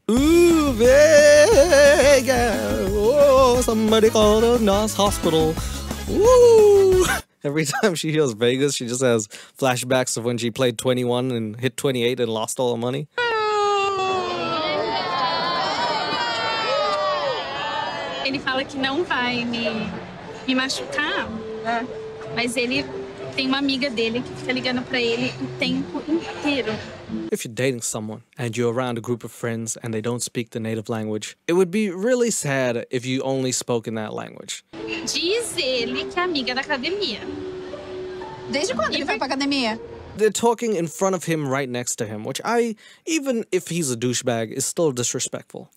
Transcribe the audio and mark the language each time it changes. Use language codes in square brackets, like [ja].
[en] Ooh, Vegas. Oh, somebody call the nurse hospital. Ooh. Every time she hears Vegas, she just has flashbacks of when she played 21 and hit 28 and lost all her money. In [pt] ele fala que não vai me machucar, mas ele tem uma amiga dele que fica ligando pra ele o tempo inteiro. [en] If you're dating someone and you're around a group of friends and they don't speak the native language, it would be really sad if you only spoke in that language. [pt] Diz ele que é amiga da academia. Desde quando ele foi pra academia? [en] They're talking in front of him right next to him, which I, even if he's a douchebag, is still disrespectful.